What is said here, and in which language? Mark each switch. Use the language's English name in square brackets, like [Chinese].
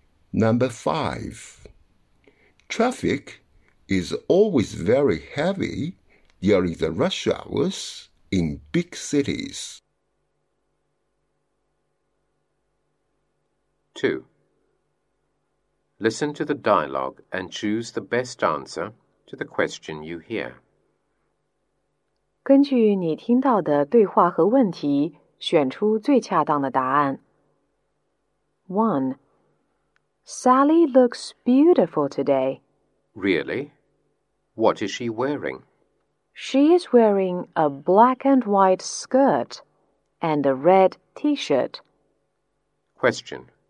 [English] Number 5. Traffic is always very heavy during the rush hours in big cities. 2. Listen to the dialogue and choose the best answer to the question you hear. [Chinese] 根据你听到的对话和问题，选出最恰当的答案。 [English] 1. Sally looks beautiful today. Really? What is she wearing? She is wearing a black and white skirt and a red t-shirt. Question.